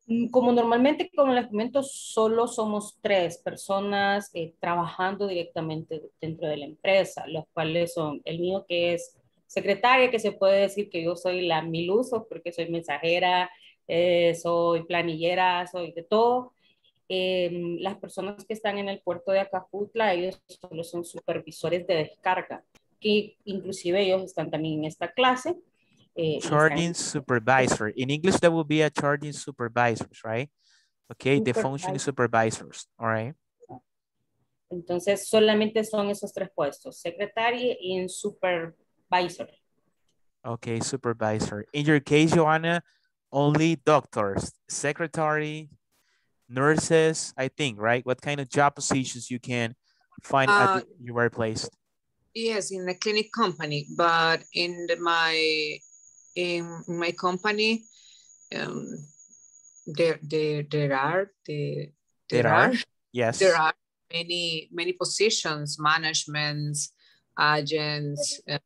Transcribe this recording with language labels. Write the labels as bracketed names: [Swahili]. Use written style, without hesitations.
[Spanish] Como normalmente, como les comento, solo somos tres personas trabajando directamente dentro de la empresa, los cuales son el mío, que es secretaria, que se puede decir que yo soy la mil usos porque soy mensajera, soy planillera, soy de todo. Las personas que están en el puerto de Acajutla, ellos solo son supervisores de descarga, que inclusive ellos están también en esta clase. [English] Charging supervisor. In English, that would be a charging supervisor, right? Okay, the functioning supervisors, all right? [Spanish] Entonces, solamente son esos tres puestos, secretaria y supervisor. [English] Okay, supervisor. In your case, Joanna, only doctors, secretary, nurses, I think, right? What kind of job positions you can find at your workplace? Yes, in the clinic company, but in the, my company, there are many positions, management, agents,